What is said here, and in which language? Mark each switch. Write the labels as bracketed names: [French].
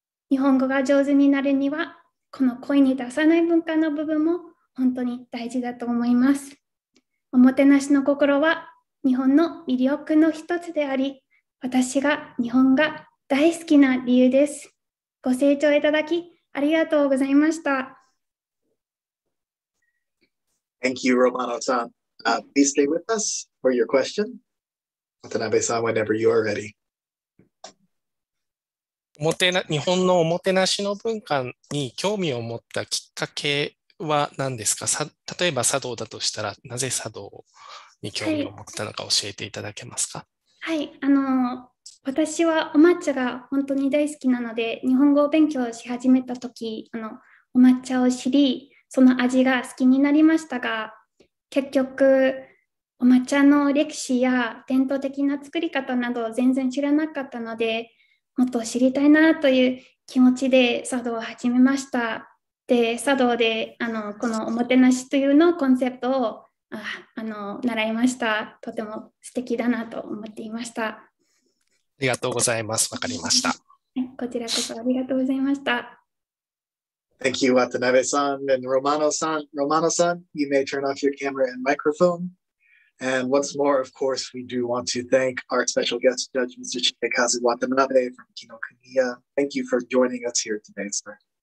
[Japanese] 日本語が上手になるには、この声に出さない文化の部分も本当に大事だと思います。おもてなしの心は日本の魅力の一つであり、私が日本が大好きな理由です。ご清聴いただき、ありがとうございました。 [English] Thank you, Romano-san. Please stay with us for your question. Watanabe-san, whenever you are ready. [Japanese] 日本のおもてなしの文化に興味を持ったきっかけは何ですか？例えば茶道だとしたら、なぜ茶道に興味を持ったのか教えていただけますか？はい、私はお抹茶が本当に大好きなので、日本語を勉強し始めた時、お抹茶を知り、その味が好きになりましたが、結局お抹茶の歴史や伝統的な作り方など全然知らなかったので、もっと知りたいなという気持ちで茶道を始めました。で、茶道でこのおもてなしというのコンセプトを習いました。とても素敵だなと思っていました。ありがとうございます。わかりました。こちらこそありがとうございました。 [English] Thank you, Watanabe-san and Romano-san. Romano-san, you may turn off your camera and microphone. And once more, of course, we do want to thank our special guest judge, Mr. Shikekazu Watanabe from Kinokuniya. Thank you for joining us here today, sir.